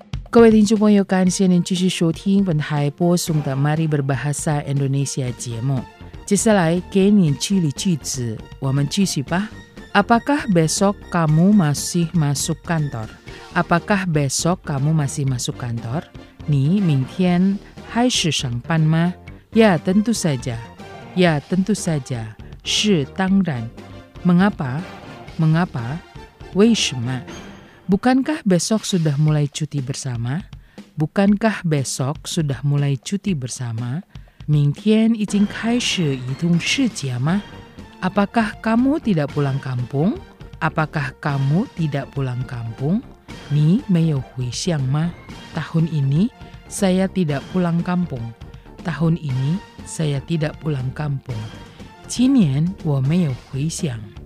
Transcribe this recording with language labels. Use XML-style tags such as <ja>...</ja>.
<zh>各位听众朋友，感谢您继续收听本台播送的 Mari Berbahasa Indonesia 节目。接下来给您举例句子，我们继续吧。</zh> <id>Apakah besok kamu masih masuk kantor? Apakah besok kamu masih masuk kantor?</id> <zh>你明天还是上班吗？</zh> <id>Ya, tentu saja. Ya, tentu saja.</id> <zh>是当然。</zh> <id>Mengapa? Mengapa?</id> <zh>为什么？</zh> <id>Bukankah besok sudah mulai cuti bersama? Bukankah besok sudah mulai cuti bersama?</id> <zh>明天已经开始移动世界吗?</zh> <id>Apakah kamu tidak pulang kampung? Apakah kamu tidak pulang kampung?</id> <zh>你没有回乡吗?</zh> <id>Tahun ini saya tidak pulang kampung. Tahun ini saya tidak pulang kampung.</id> <zh>今年我没有回乡。</zh>